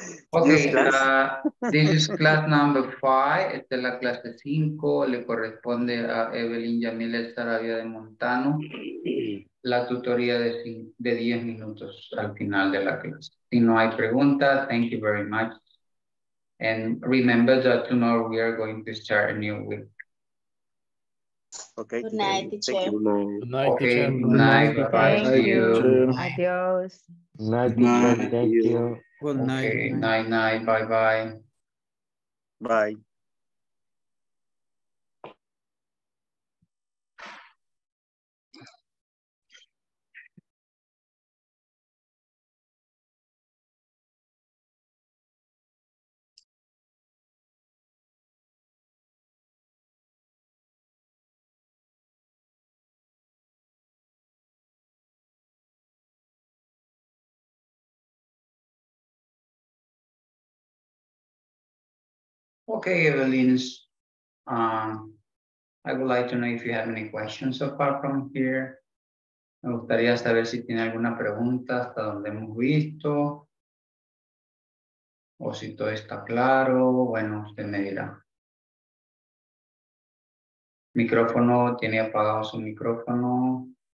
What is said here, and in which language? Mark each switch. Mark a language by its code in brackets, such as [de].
[en] Ok, this is class number 5. [es] Esta es la clase 5. Le corresponde a Evelyn Yamilet Saravia de Montano. La tutoría de 10 minutos al final de la clase. Si no hay preguntas, [en] thank you very much. And remember that tomorrow we are going to start a new week. Okay. Good night, teacher. Good night, okay. teacher. Good night. Bye. Thank you. Adios. Good teacher. Thank you. Good night. Okay. Night, night. Bye-bye. Bye. Okay, Evelyn, I would like to know if you have any questions so far from here. [es] Me gustaría saber si tiene alguna pregunta hasta donde hemos visto. O si todo está claro. Bueno, usted me dirá. Micrófono, tiene apagado su micrófono.